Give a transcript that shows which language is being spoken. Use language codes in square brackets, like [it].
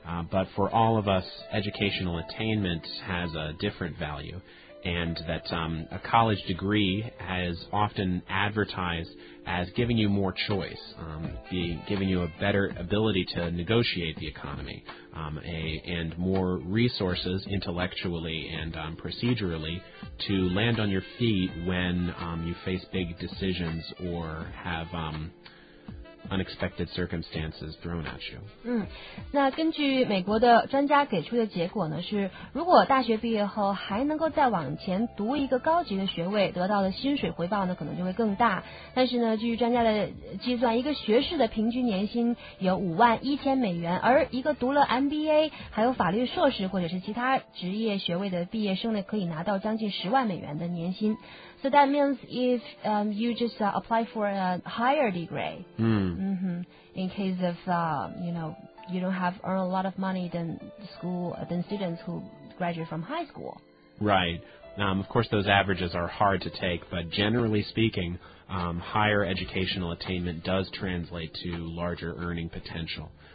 [en] But for all of us, educational attainment has a different value, and that a college degree is often advertised as giving you more choice, giving you a better ability to negotiate the economy, and more resources intellectually and procedurally to land on your feet when you face big decisions or have unexpected circumstances thrown at you. [zh] 那根据美国的专家给出的结果呢，是如果大学毕业后还能够再往前读一个高级的学位，得到的薪水回报呢可能就会更大。但是呢，据专家的计算，一个学士的平均年薪有$51,000，而一个读了 MBA 还有法律硕士或者是其他职业学位的毕业生呢，可以拿到将近$100,000的年薪。 [en] So that means if you just apply for a higher degree, in case of, you know, you don't have earned a lot of money than students who graduate from high school. Right. Of course, those averages are hard to take, but generally speaking, higher educational attainment does translate to larger earning potential.